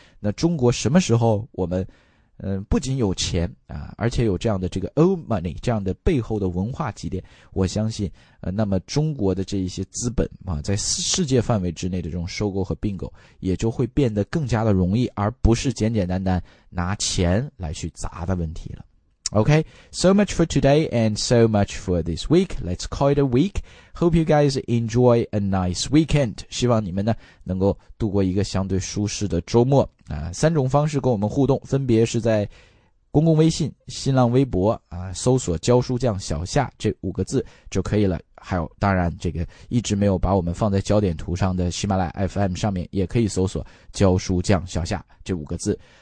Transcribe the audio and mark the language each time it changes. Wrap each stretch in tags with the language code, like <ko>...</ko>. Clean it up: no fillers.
<zh>那中国什么时候我们不仅有钱啊，而且有这样的这个 old money 这样的背后的文化积淀，我相信那么中国的这一些资本啊，在世界范围之内的这种收购和并购也就会变得更加的容易，而不是简简单单拿钱来去砸的问题了。</zh> <en>Okay, so much for today and so much for this week. Let's call it a week. Hope you guys enjoy a nice weekend.</en> <zh>希望你们呢能够度过一个相对舒适的周末。三种方式跟我们互动，分别是在公共微信、新浪微博啊，搜索教书匠小夏这五个字就可以了。还有当然这个一直没有把我们放在焦点图上的喜马拉雅 FM 上面也可以搜索教书匠小夏这五个字。</zh>